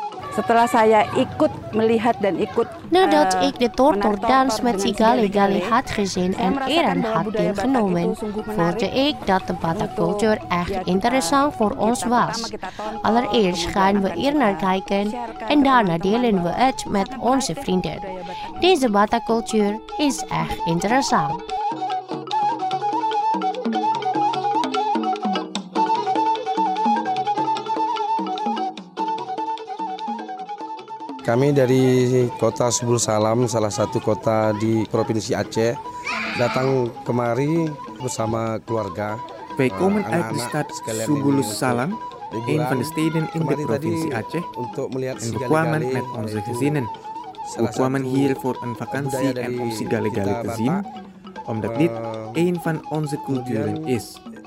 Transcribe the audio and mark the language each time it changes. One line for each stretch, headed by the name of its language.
Indonesian: Setelah saya ikut melihat dan ikut
Dutch: nadat ik de Tortordans met Sigali Gali had gezien en eraan had deelgenomen, voelde ik dat de Batak-cultuur echt interessant voor ons was. Allereerst gaan we hier naar kijken en daarna delen we het met onze vrienden. Deze Batak-cultuur is echt interessant.
Indonesian: Kami dari kota Subul Salam, salah satu kota di Provinsi Aceh, datang kemari bersama keluarga.
Dutch: We komen uit de stad Subul Salam, een van de steden in de provincie Aceh,
Indonesian: untuk melihat
Dutch: en we kwamen met onze gezinnen. We kwamen hier voor een vakantie en om Sigali Gali te zien, omdat dit een van onze culturen is.